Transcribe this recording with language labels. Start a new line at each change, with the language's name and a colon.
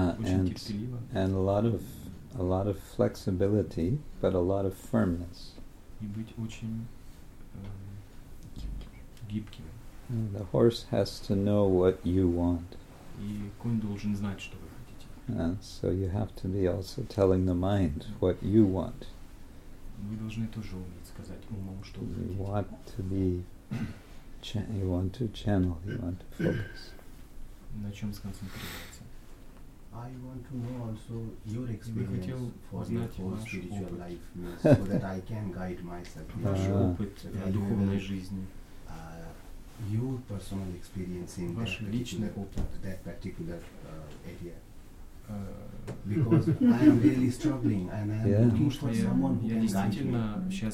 English: And a lot of flexibility, but a lot of firmness.
Russian: И быть очень гибким.
English: The horse has to know what you want.
Russian: И конь должен знать, что вы хотите.
English: So you have to be also telling the mind what you want.
Russian: Вы должны тоже уметь сказать умом, что вы хотите.
English: You want to be, you want to channel, you want to focus.
Russian: На чем сконцентрироваться?
English: I want to know also your experience for your spiritual life, so that I can guide myself.
Russian: Ваш опыт в духовной жизни.
English: your personal experience in that particular, that particular area? Because I am really struggling and I am looking for someone who can guide me.